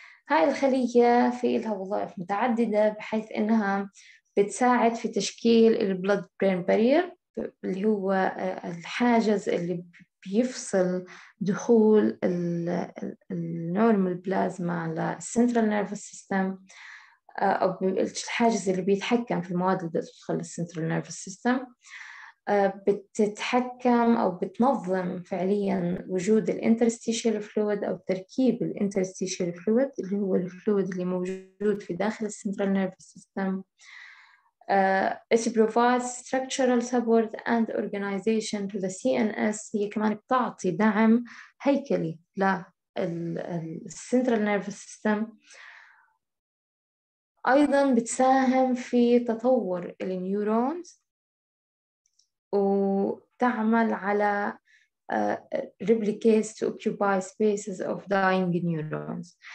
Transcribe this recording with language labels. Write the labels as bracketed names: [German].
[Arabic] هاي الخلية في لها وظائف متعددة بحيث إنها بتساعد في تشكيل البلود برين بارير اللي هو الحاجز اللي بيفصل دخول النورمال بلازما للسنترال نيرفس سيستم، او الحاجز اللي بيتحكم في المواد اللي بتدخل للسنترال نيرفس سيستم، بتتحكم او بتنظم فعليا وجود الانترستيشيال فلويد او تركيب الانترستيشيال فلويد اللي هو الفلويد اللي موجود في داخل السنترال نيرفس سيستم. [English] It provides structural support and organization to the CNS. [Arabic] هي كمان بتعطي دعم هيكلي للcentral nervous system. أيضا بتساهم في تطور النيورونز وتعمل على [English] replicates to occupy spaces of dying neurons.